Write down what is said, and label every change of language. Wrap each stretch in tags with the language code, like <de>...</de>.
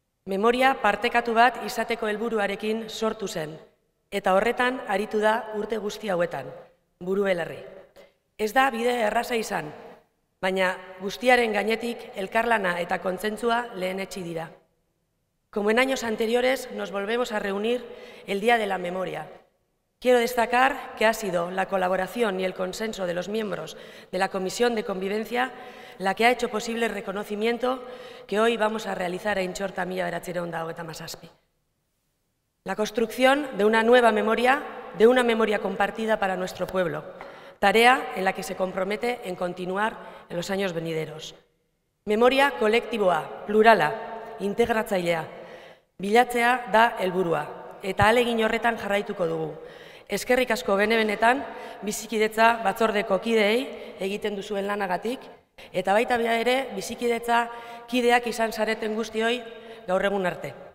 <eu>Memoria partekatu bat izateko helburuarekin sortu zen, eta horretan aritu da urte guzti hauetan, buru belarri. Ez da bide erraza izan, baina guztiaren gainetik elkarlana eta kontzentzua lehenetsi dira.</eu> <es>Como en años anteriores, nos volvemos a reunir el día de la memoria. Quiero destacar que ha sido la colaboración y el consenso de los miembros de la Comisión de Convivencia la que ha hecho posible el reconocimiento que hoy vamos a realizar en Chorta Mila Beratzireun da Hogeta Masaspi. La construcción de una nueva memoria, de una memoria compartida para nuestro pueblo, tarea en la que se compromete en continuar en los años venideros.</es> <eu>Memoria kolektiboa, plurala, integratzailea, bilatzea da helburua, eta alegin horretan jarraituko dugu. Eskerrik asko bene-benetan, bizikidetza batzordeko kideei egiten duzuen lanagatik, eta baita bea ere bizikidetza kideak izan zareten guztioi gaur egun arte.</eu>